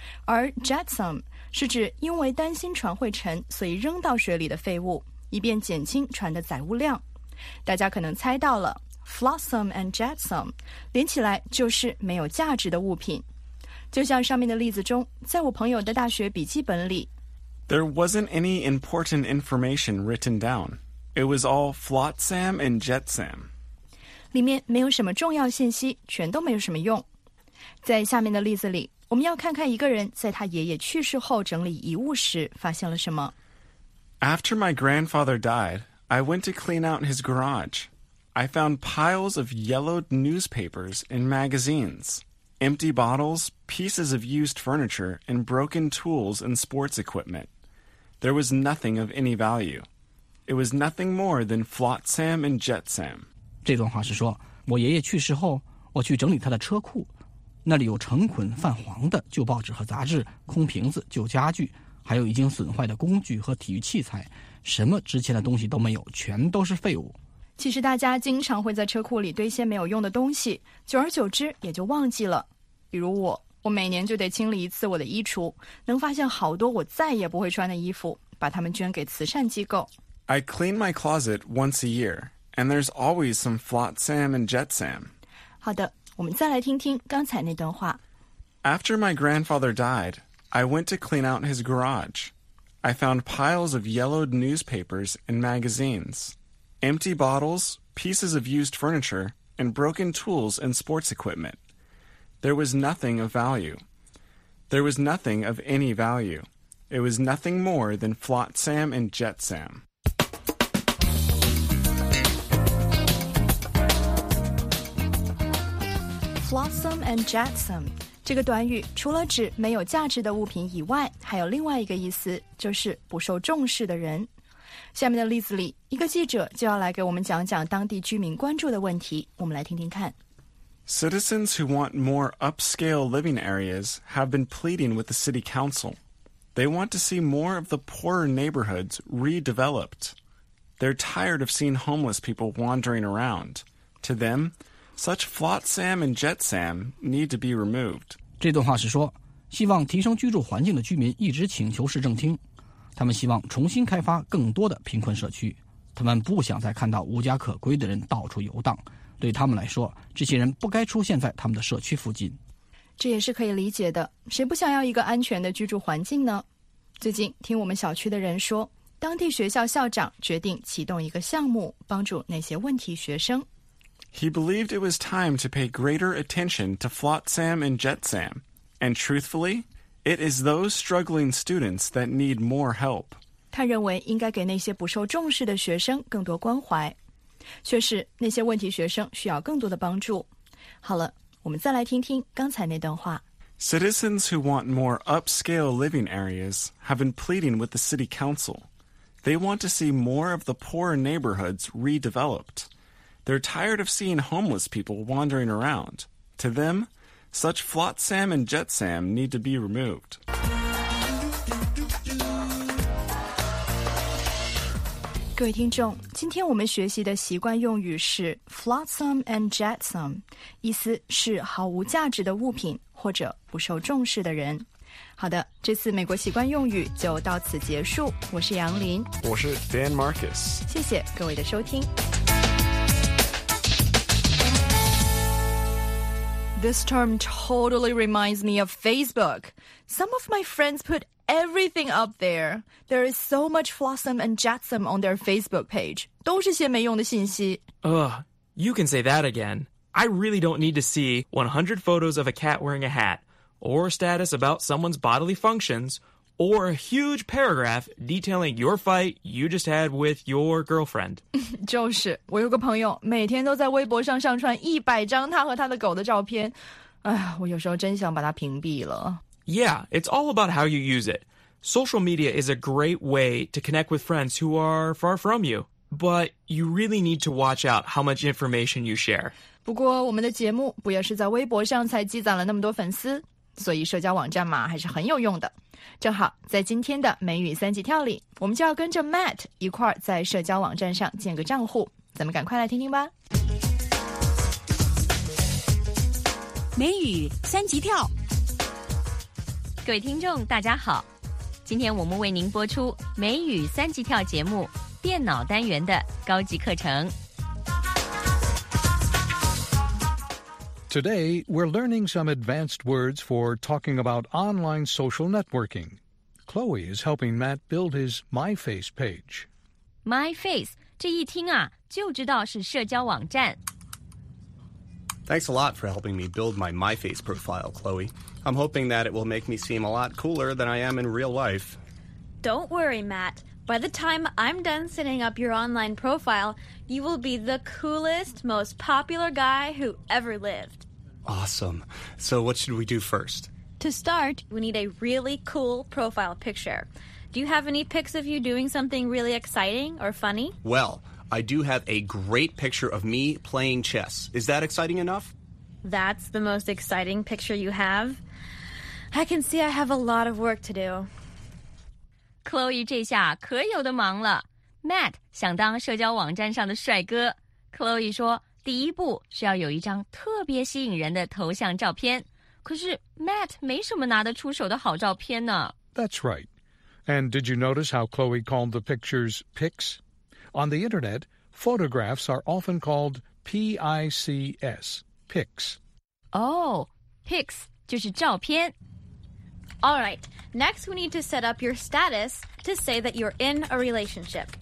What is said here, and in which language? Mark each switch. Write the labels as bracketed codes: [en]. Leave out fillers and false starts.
[zh] 而 jetsam 是指因为担心船会沉所以扔到水里的废物，以便减轻船的载物量。大家可能猜到了。 Flotsam and jetsam 连起来就是没有价值的物品。就像上面的例子中，在我朋友的大学笔记本里 [en] There wasn't any important information written down. It was all flotsam and jetsam. [zh] 里面没有什么重要信息，全都没有什么用。在下面的例子里，我们要看看一个人在他爷爷去世后整理遗物时发现了什么。 [en] After my grandfather died, I went to clean out his garage. I found piles of yellowed newspapers and magazines, empty bottles, pieces of used furniture, and broken tools and sports equipment. There was nothing of any value. It was nothing more than flotsam and jetsam. [zh] 这段话是说，我爷爷去世后，我去整理他的车库，那里有成捆泛黄的旧报纸和杂志，空瓶子，旧家具，还有已经损坏的工具和体育器材，什么值钱的东西都没有，全都是废物。其实大家经常会在车库里堆些没有用的东西，久而久之也就忘记了。比如我，我每年就得清理一次我的衣橱，能发现好多我再也不会穿的衣服，把它们捐给慈善机构。 [en] I clean my closet once a year, and there's always some flotsam and jetsam. [zh] 好的，我们再来听听刚才那段话。 [en] After my grandfather died, I went to clean out his garage. I found piles of yellowed newspapers and magazines, empty bottles, pieces of used furniture, and broken tools and sports equipment. There was nothing of value. There was nothing of any value. It was nothing more than flotsam and jetsam. Flotsam and jetsam. [zh] 这个短语除了指没有价值的物品以外，还有另外一个意思，就是不受重视的人。下面的例子里，一个记者就要来给我们讲讲当地居民关注的问题，我们来听听看。 [en] Citizens who want more upscale living areas have been pleading with the city council. They want to see more of the poorer neighborhoods redeveloped. They're tired of seeing homeless people wandering around. To them,Such flotsam and jetsam need to be removed. [zh] 这段话是说，希望提升居住环境的居民一直请求市政厅，他们希望重新开发更多的贫困社区，他们不想再看到无家可归的人到处游荡，对他们来说，这些人不该出现在他们的社区附近。这也是可以理解的，谁不想要一个安全的居住环境呢？最近听我们小区的人说，当地学校校长决定启动一个项目，帮助那些问题学生。 [en] He believed it was time to pay greater attention to flotsam and jetsam. And truthfully, it is those struggling students that need more help. [zh] 他认为应该给那些不受重视的学生更多关怀。确实，那些问题学生需要更多的帮助。好了，我们再来听听刚才那段话。 [en] Citizens who want more upscale living areas have been pleading with the city council. They want to see more of the poorer neighborhoods redeveloped. They're tired of seeing homeless people wandering around. To them, such flotsam and jetsam need to be removed. Good [zh] 听众，今天我们学习的习惯用语是 flotsam and jetsam, 意思是毫无价值的物品或者不受重视的人。好的，这次美国习惯用语就到此结束。我是杨林，我是 Dan Marcus。谢谢各位的收听。 [en] This term totally reminds me of Facebook. Some of my friends put everything up there. There is so much flotsam and jetsam on their Facebook page. [zh] 都是些没用的信息。 [en] Ugh, you can say that again. I really don't need to see 100 photos of a cat wearing a hat, or status about someone's bodily functions, or a huge paragraph detailing your fight you just had with your girlfriend. [zh] 就是，我有个朋友每天都在微博上上传100张他和他的狗的照片。哎，我有时候真想把他屏蔽了。 [en] Yeah, it's all about how you use it. Social media is a great way to connect with friends who are far from you. But you really need to watch out how much information you share. [zh] 不过我们的节目不也是在微博上才积攒了那么多粉丝？所以社交网站嘛还是很有用的。正好在今天的美语三级跳里，我们就要跟着 Matt 一块儿在社交网站上建个账户，咱们赶快来听听吧。美语三级跳，各位听众大家好，今天我们为您播出美语三级跳节目电脑单元的高级课程。 [en] Today, we're learning some advanced words for talking about online social networking. Chloe is helping Matt build his MyFace page. [zh] MyFace, 这一听啊，就知道是社交网站。 [en] Thanks a lot for helping me build my MyFace profile, Chloe. I'm hoping that it will make me seem a lot cooler than I am in real life. Don't worry, Matt. By the time I'm done setting up your online profile, you will be the coolest, most popular guy who ever lived. Awesome. So what should we do first? To start, we need a really cool profile picture. Do you have any pics of you doing something really exciting or funny? Well, I do have a great picture of me playing chess. Is that exciting enough? That's the most exciting picture you have? I can see I have a lot of work to do. [zh] Chloe 这下可有的忙了。Matt 想当社交网站上的帅哥。 Chloe 说第一步是要有一张特别吸引人的头像照片，可是 Matt 没什么拿得出手的好照片呢。 [en] That's right. And did you notice how Chloe called the pictures pics? On the internet, photographs are often called P-I-C-S, pics. [zh] Oh, pics 就是照片。 [en] All right, next we need to set up your status to say that you're in a relationship.